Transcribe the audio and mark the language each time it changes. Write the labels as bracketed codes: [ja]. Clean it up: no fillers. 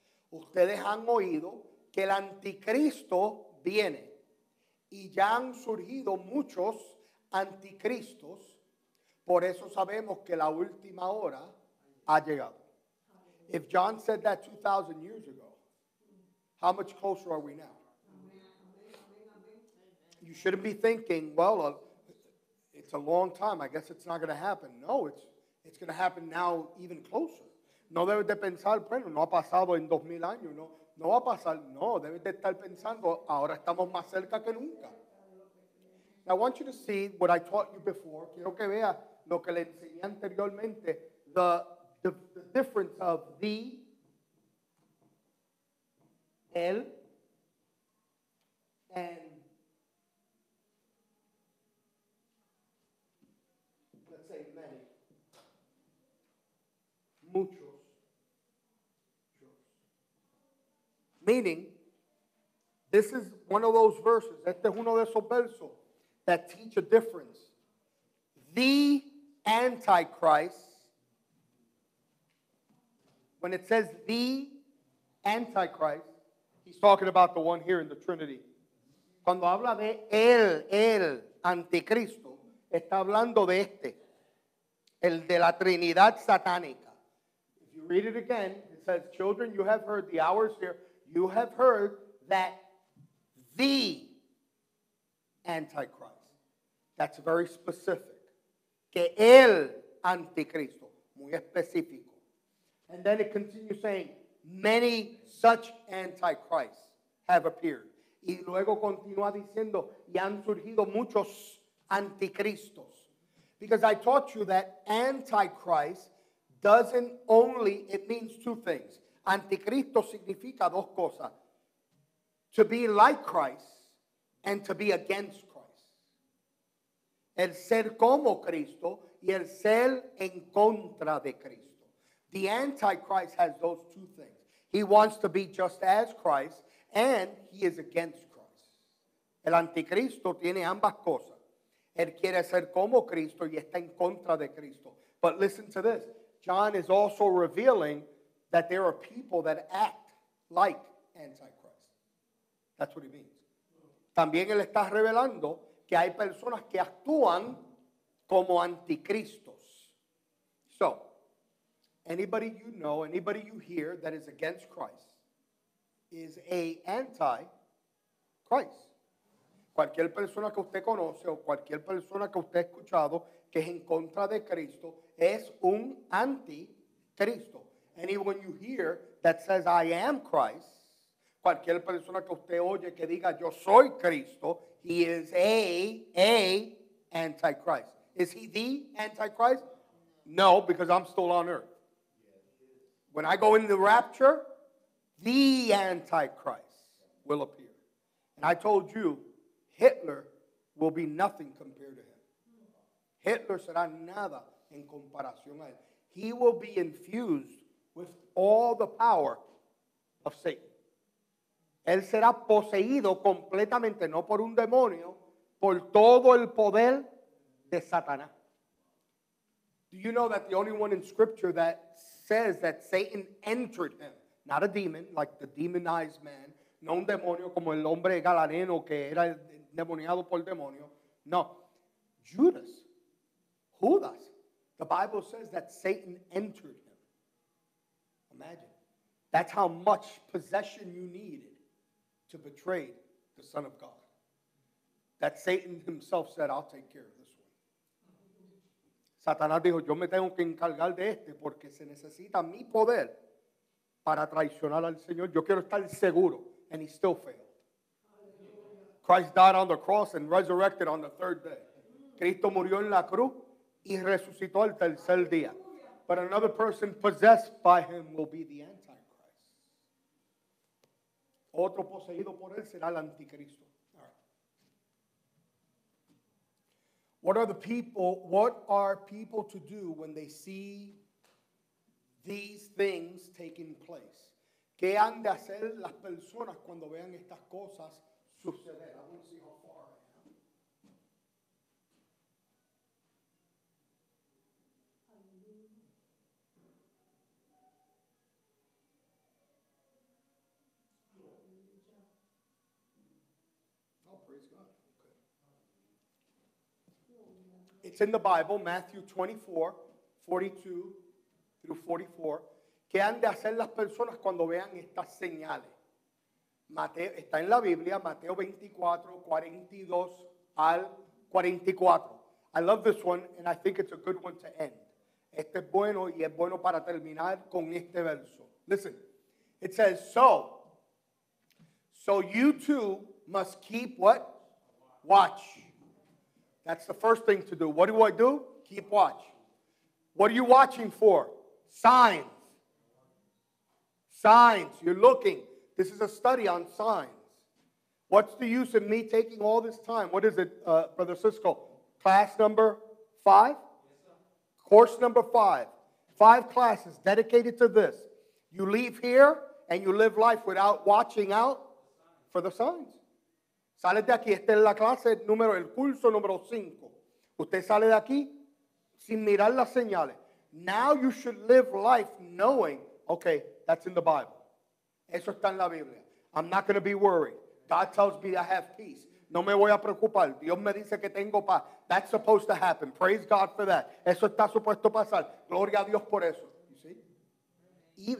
[es] Ustedes han oído que el anticristo viene, y ya han surgido muchos anticristos, por eso sabemos que la última hora ha llegado. [en] If John said that 2,000 years ago, how much closer are we now? You shouldn't be thinking, well, it's a long time, I guess it's not going to happen. No, it's going to happen now even closer. [es] No debes de pensar, bueno, no ha pasado en 2,000 años, no. No va a pasar, no, debes de estar pensando, ahora estamos más cerca que nunca. [en] Now, I want you to see what I taught you before. [es] Quiero que vea lo que le enseñé anteriormente, [en] the difference of the, [es] el, [en] and let's say many, [es] mucho. [en] Meaning, this is one of those verses, [es] este es uno de esos versos, [en] that teach a difference. The Antichrist, when it says the Antichrist, he's talking about the one here in the Trinity. [es] Cuando habla de el Anticristo, está hablando de este, el de la Trinidad Satánica. [en] If you read it again, it says, children, you have heard the hours here. You have heard that the Antichrist, that's very specific, [es] que el Anticristo, muy específico. [en] And then it continues saying, many such Antichrists have appeared. [es] Y luego continúa diciendo, y han surgido muchos Anticristos. [en] Because I taught you that Antichrist doesn't only, it means two things. [es] Anticristo significa dos cosas, [en] to be like Christ and to be against Christ. [es] El ser como Cristo y el ser en contra de Cristo. [en] The Antichrist has those two things. He wants to be just as Christ and he is against Christ. [es] El Anticristo tiene ambas cosas. Él quiere ser como Cristo y está en contra de Cristo. [en] But listen to this. John is also revealing that there are people that act like Antichrist. That's what he means. [es] También él está revelando que hay personas que actúan como anticristos. [en] So, anybody you know, anybody you hear that is against Christ is a anti-Christ. [es] Cualquier persona que usted conoce o cualquier persona que usted ha escuchado que es en contra de Cristo es un anticristo. [en] Anyone you hear that says, I am Christ, [es] cualquier persona que usted oye que diga, yo soy Cristo, [en] he is a Antichrist. Is he the Antichrist? No, because I'm still on earth. When I go in the rapture, the Antichrist will appear. And I told you, Hitler will be nothing compared to him. [es] Hitler será nada en comparación a él. [en] He will be infused with all the power of Satan. [es] Él será poseído completamente, no por un demonio, por todo el poder de Satanás. [en] Do you know that the only one in scripture that says that Satan entered him, not a demon, like the demonized man, [es] no un demonio como el hombre galareno que era demoniado por demonio, no, [en] Judas, Judas, the Bible says that Satan entered him. Imagine, that's how much possession you needed to betray the Son of God. That Satan himself said, I'll take care of this one. [es] Satanás dijo, yo me tengo que encargar de este porque se necesita mi poder para traicionar al Señor. Yo quiero estar seguro. [en] And he still failed. Christ died on the cross and resurrected on the third day. [es] Cristo murió en la cruz y resucitó el tercer día. [en] But another person possessed by him will be the Antichrist. [es] Otro poseído por él será el Anticristo. [en] What are the people, what are people to do when they see these things taking place? [es] ¿Qué han de hacer las personas cuando vean estas cosas suceder? [en] It's in the Bible, Matthew 24, 42 through 44. [es] ¿Qué han de hacer las personas cuando vean estas señales? Mateo, está en la Biblia, Mateo 24, 42 al 44. [en] I love this one, and I think it's a good one to end. [es] Este es bueno, y es bueno para terminar con este verso. [en] Listen, it says, so you too must keep what? Watch. That's the first thing to do. What do I do? Keep watch. What are you watching for? Signs. Signs. You're looking. This is a study on signs. What's the use of me taking all this time? What is it, Brother Cisco? Class number five? Course number five. Five classes dedicated to this. You leave here and you live life without watching out for the signs. [es] Sale de aquí, esta es la clase número, el curso número 5. Usted sale de aquí sin mirar las señales. [en] Now you should live life knowing, okay, that's in the Bible. [es] Eso está en la Biblia. [en] I'm not going to be worried. God tells me I have peace. [es] No me voy a preocupar. Dios me dice que tengo paz. [en] That's supposed to happen. Praise God for that. [es] Eso está supuesto pasar. Gloria a Dios por eso. [en] You see?